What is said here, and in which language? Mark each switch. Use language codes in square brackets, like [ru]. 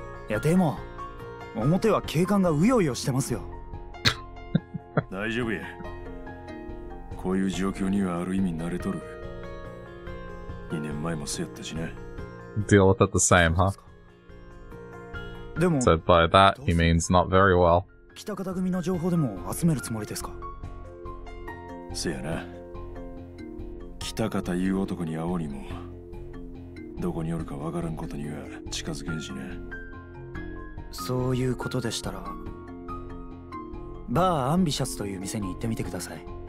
[ja] いやでも表は警官がうようよしてますよ。大丈夫や。こういう状況にはある意味慣れとる。2年前もそうやったしね。 [en] Deal with it the same, huh? [ja] でも、 [en] so by that he means not very well. [ja] 北方組の情報でも集めるつもりですか。せやな。北方いう男に会おうにも。どこにおるかわからんことには近づけんしね。そういうことでしたら、バーアンビシャスという店に行ってみてください。